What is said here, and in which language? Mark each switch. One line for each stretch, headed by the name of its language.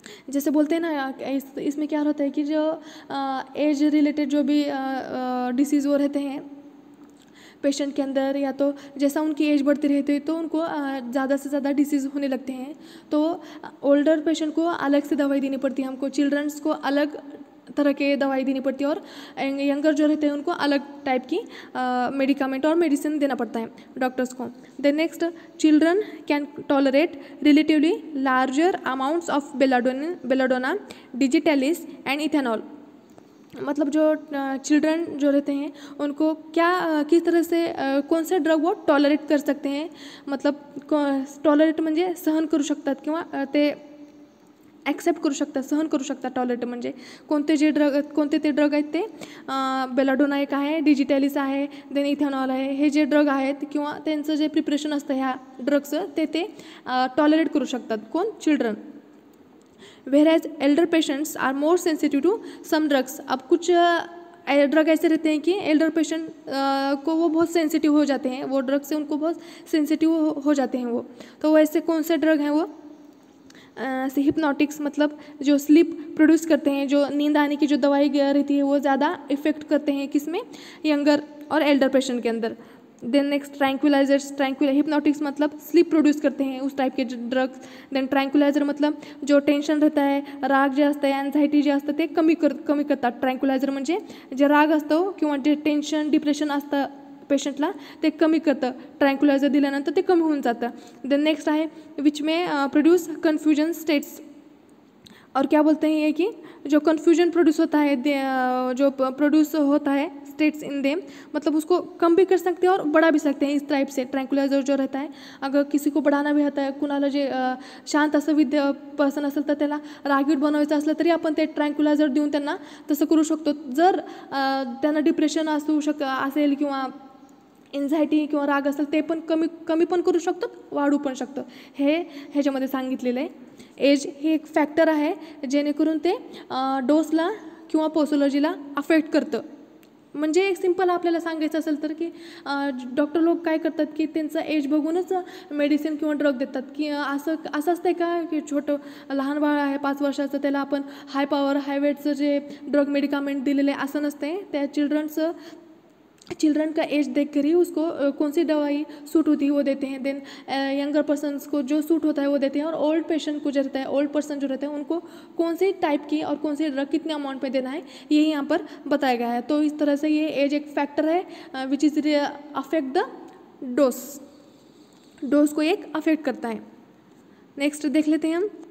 Hindi: जैसे बोलते हैं ना, इसमें क्या रहता है कि जो एज रिलेटेड जो भी डिसीज वो रहते हैं पेशेंट के अंदर, या तो जैसा उनकी एज बढ़ती रहती है तो उनको ज़्यादा से ज़्यादा डिसीज़ होने लगते हैं, तो ओल्डर पेशेंट को अलग से दवाई देनी पड़ती है हमको, चिल्ड्रंस को अलग तरह के दवाई देनी पड़ती है, और यंगर जो रहते हैं उनको अलग टाइप की मेडिकामेंट और मेडिसिन देना पड़ता है डॉक्टर्स को।
English: Then next, children can tolerate relatively larger amounts of belladonna, digitalis and ethanol.
Hindi: मतलब जो चिल्ड्रन जो रहते हैं उनको क्या, किस तरह से, कौन से ड्रग वो टॉलरेट कर सकते हैं, मतलब टॉलरेट
Marathi: म्हणजे सहन करू शकतात किंवा ते ॲक्सेप्ट करू शकतात, सहन करू शकतात, टॉयलेट म्हणजे कोणते ते ड्रग आहेत, ते बेलाडोना एक आहे, डिजिटॅलिस आहे, देन इथेनॉल आहे, हे जे ड्रग आहेत किंवा त्यांचं जे प्रिपरेशन असतं ह्या ड्रग्सचं ते टॉलरेट करू शकतात, कोण, children.
English: Whereas elder patients are more sensitive to some drugs.
Hindi: अब कुछ ड्रग ऐसे रहते हैं कि एल्डर पेशेंट को वो बहुत सेंसिटिव हो जाते हैं, वो ड्रग से उनको बहुत सेंसिटिव हो जाते हैं वो, तो वैसे कौन से ड्रग हैं वो, हिप्नोटिक्स, मतलब जो स्लीप प्रोड्यूस करते हैं, जो नींद आने की जो दवाई रहती है वो ज़्यादा इफेक्ट करते हैं किसमें, यंगर और एल्डर पेशेंट के अंदर। देन नेक्स्ट ट्रैंक्विलाइजर्स, हिप्नोटिक्स मतलब स्लीप प्रोड्यूस करते हैं उस टाइप के ड्रग्स, देन ट्रैंक्विलाइजर मतलब जो टेंशन रहता है,
Marathi: राग जे असतं, एन्झायटी जे असतं ते कमी करतात. ट्रैंक्विलाइजर म्हणजे जे राग असतो किंवा जे टेंशन डिप्रेशन असतं पेशंटला ते कमी करतं, ट्रैंक्विलाइजर दिल्यानंतर ते कमी होऊन जातं.
English: then next आहे which may produce confusion states,
Hindi: और क्या बोलते हैं ये कि जो कन्फ्यूजन प्रोड्यूस होता है, जो प्रोड्यूस होता है स्टेट्स इन देम, मतलब उसको कम भी कर सकते हैं और बढ़ा भी सकते हैं इस टाइप से. ट्रैंक्विलाइजर जो रहता है, अगर किसी को बढ़ाना भी होता है,
Marathi: कुणाला जे शांत असं विद्य पर्सन असेल तर त्याला रागीट बनवायचं असलं तरी आपण ते ट्रैंक्विलाइजर देऊन त्यांना तसं करू शकतो. जर त्यांना डिप्रेशन असू शक असेल किंवा एन्झायटी किंवा राग असेल ते पण कमी पण करू शकतो, वाढू पण शकतो. हे ह्याच्यामध्ये सांगितलेलं आहे. एज हे एक फॅक्टर आहे जेणेकरून ते डोसला किंवा पोसोलॉजीला अफेक्ट करतं. म्हणजे एक सिंपल आपल्याला सांगायचं असेल तर की डॉक्टर लोक काय करतात की त्यांचं एज बघूनच मेडिसिन किंवा ड्रग देतात. की असं असतं का की छोटं लहान बाळ आहे 5 वर्षाचं त्याला आपण हाय पॉवर हाय वेटचं जे ड्रग मेडिकामेंट दिलेलं आहे असं नसतंय.
Hindi: त्या चिल्ड्रन का एज देख कर ही उसको कौन सी दवाई सूट होती है वो देते हैं. देन यंगर पर्सन्स को जो सूट होता है वो देते हैं, और ओल्ड पेशेंट को जो रहता है, ओल्ड पर्सन जो रहते हैं उनको कौन सी टाइप की और कौन सी ड्रग कितने अमाउंट पे देना है ये यहाँ पर बताया गया है. तो इस तरह से ये एज एक फैक्टर है
English: which is affect the dose,
Hindi: डोस को एक अफेक्ट करता है. नेक्स्ट देख लेते हैं हम.